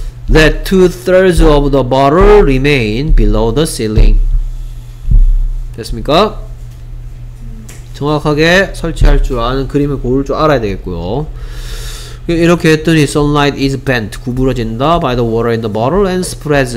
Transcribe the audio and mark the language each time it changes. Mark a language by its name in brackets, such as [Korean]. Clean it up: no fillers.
[English] Let two-thirds of the bottle remain below the ceiling. [Korean] 됐습니까? 정확하게 설치할 줄 아는 그림을 고를 줄 알아야 되겠고요. 이렇게 했더니 [English] sunlight is bent, [Korean] 구부러진다 [English] by the water in the bottle and spreads.